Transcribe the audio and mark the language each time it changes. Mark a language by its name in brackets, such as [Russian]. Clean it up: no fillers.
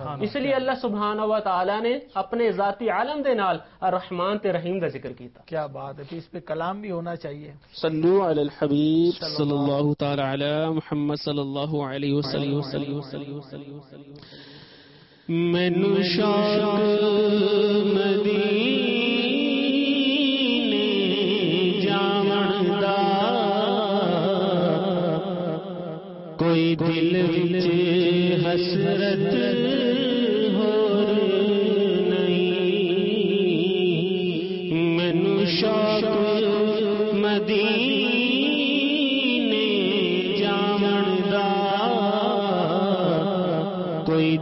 [Punjabi] اس لیے اللہ سبحانہ و تعالی نے اپنے ذاتی عالم دے نال الرحمن تے رحیم دا ذکر کیتا. [Urdu] کیا بات ہے، اس پہ کلام بھی ہونا چاہیے. [Arabic] صلوا علی الحبیب صلی اللہ تعالی علی محمد صلی اللہ علیہ وسلم. [Punjabi] منو شوق مدینے جاون دا کوئی دل وچ حسرت ہور نہیں، منو شوق مدینے جاون دا کوئی